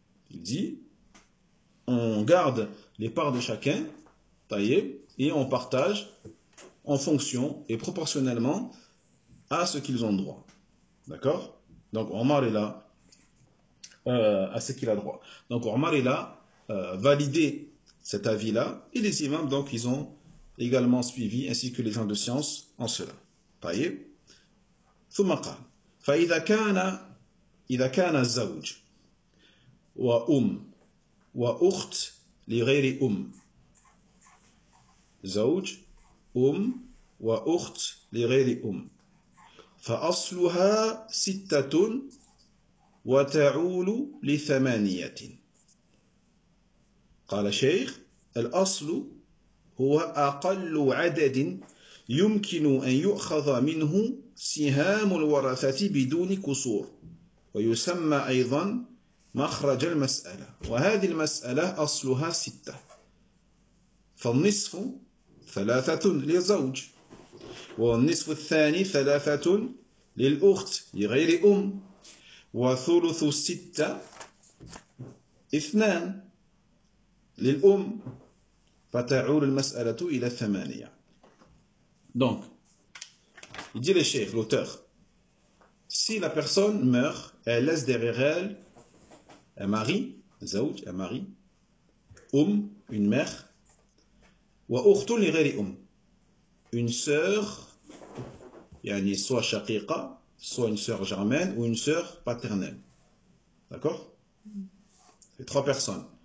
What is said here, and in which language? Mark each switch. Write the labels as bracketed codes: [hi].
[fr] Il dit, on garde les parts de chacun, taillées, et on partage en fonction et proportionnellement à ce qu'ils ont droit. D'accord? Donc Omar est là à ce qu'il a droit. Donc Omar est là, validé cet avis-là, et les imams, donc, ils ont également suivi, ainsi que les gens de science, en cela. [ar] طيب ثم قال فإذا كان إذا كان الزوج وأم وأخت لغير أم زوج أم وأخت لغير أم فأصلها ستة وتعول لثمانية قال شيخ الأصل هو أقل عدد يمكن أن يؤخذ منه سهام الورثة بدون قصور، ويسمى أيضا مخرج المسألة. وهذه المسألة أصلها ستة، فالنصف ثلاثة للزوج، والنصف الثاني ثلاثة للأخت لغير أم، وثلث الستة اثنان للأم، فتعود المسألة إلى ثمانية. [fr] Donc, il dit le cheikh, l'auteur, si la personne meurt, elle laisse derrière elle un mari, zaouj, un mari, une mère, [ar] wa ukhtun li ghayri um, [fr] une sœur, yani soit shaqiqa, soit une sœur germaine ou une sœur paternelle. D'accord? C'est trois personnes.